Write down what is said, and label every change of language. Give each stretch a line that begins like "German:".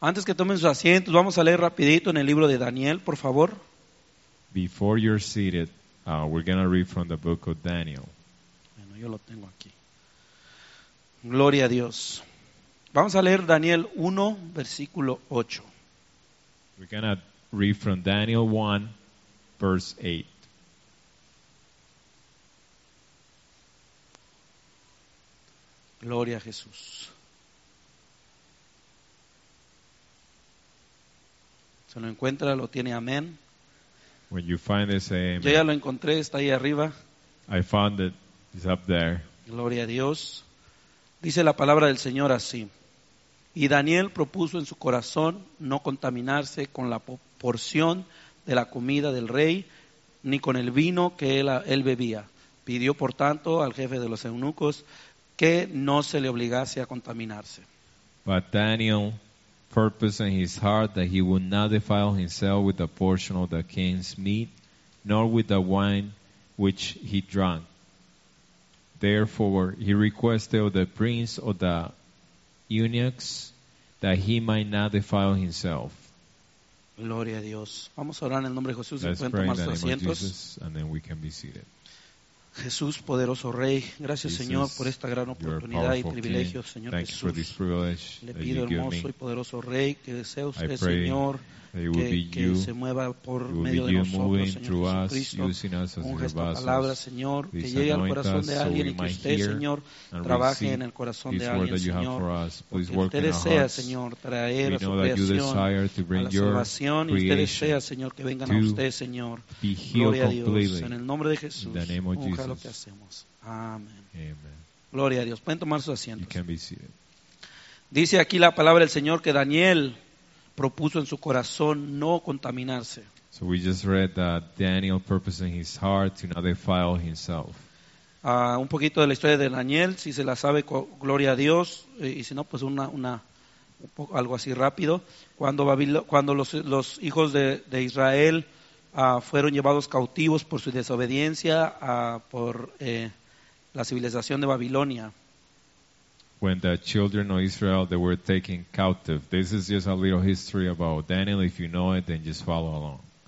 Spanish: Antes que tomen sus asientos, vamos a leer rapidito en el libro de Daniel, por favor.
English: Before you're seated, we're going to read from the book of Daniel.
Spanish: Bueno, yo lo tengo aquí. Gloria a Dios. Vamos a leer Daniel 1, versículo 8.
English: We're going to read from Daniel 1, verse 8.
Spanish: Gloria a Jesús. ¿Se lo encuentra? ¿Lo tiene? Amén.
English: When you find this, say amen.
Spanish: Yo ya lo encontré, está ahí arriba.
English: I found it. It's up there.
Spanish: Gloria a Dios. Dice la palabra del Señor así. Y Daniel propuso en su corazón no contaminarse con la porción de la comida del rey, ni con el vino que él bebía. Pidió, por tanto, al jefe de los eunucos que no se le obligase a contaminarse.
English: But Daniel purposed in his heart that he would not defile himself with a portion of the king's meat, nor with the wine which he drank. Therefore, he requested of the prince of the eunuchs that he might not defile himself.
Spanish: Gloria a Dios. Vamos a orar en el nombre de Jesús y pueden tomar sus asientos.
English: Let's pray in the name of Jesus, and then we can be seated.
Spanish: Jesús, poderoso Rey, gracias, Señor, por esta gran oportunidad y privilegio, Señor Jesús. Le pido, hermoso y poderoso Rey, que sea usted, Señor, que se mueva por medio de nosotros, Señor Jesucristo. Unge esta palabra, Señor, que llegue al corazón de alguien y que usted, Señor, trabaje en el corazón de alguien, Señor. Porque usted desea, Señor, traer a su creación a la salvación y usted desea, Señor, que vengan a usted, Señor. Gloria a Dios. En el nombre de Jesús. Unja lo que hacemos. Amén. Gloria a Dios. Pueden tomar sus asientos. Dice aquí la palabra del Señor que Daniel propuso en su corazón no contaminarse.
English: So we just read that Daniel purposed in his heart to not defile himself.
Spanish: Un poquito de la historia de Daniel, si se la sabe, gloria a Dios, y si no, pues un poco, algo así rápido. Cuando los hijos de Israel fueron llevados cautivos por su desobediencia por la civilización de Babilonia.
English: When the children of Israel, they were taken captive. This is just a little history about Daniel. If you know it, then just follow along.